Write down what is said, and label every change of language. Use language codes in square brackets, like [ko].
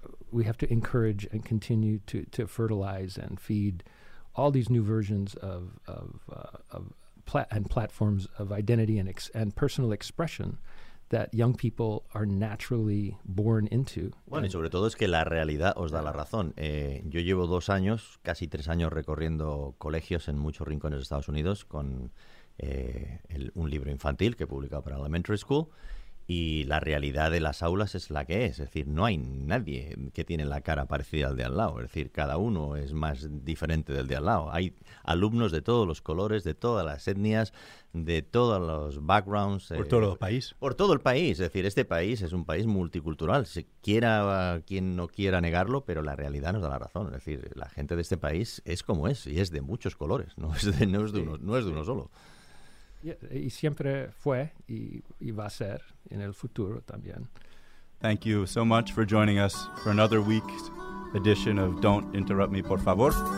[en] we have to encourage and continue to fertilize and feed all these new versions of platforms of identity and personal expression that young people are naturally born into. [es] Bueno, y sobre todo es que la realidad os da la razón. Yo llevo 2 años, casi 3 años, recorriendo colegios en muchos rincones de Estados Unidos con un libro infantil que he publicado para Elementary School, y la realidad de las aulas es la que es. Es decir, no hay nadie que tiene la cara parecida al de al lado. Es decir, cada uno es más diferente del de al lado. Hay alumnos de todos los colores, de todas las etnias, de todos los backgrounds. Por todo el país. Por todo el país. Es decir, este país es un país multicultural. Si quiera quien no quiera negarlo, pero la realidad nos da la razón. Es decir, la gente de este país es como es y es de muchos colores. No es de uno solo. Y siempre fue y va a ser en el futuro también. [en] Thank you so much for joining us for another week's edition of Don't Interrupt Me, por favor.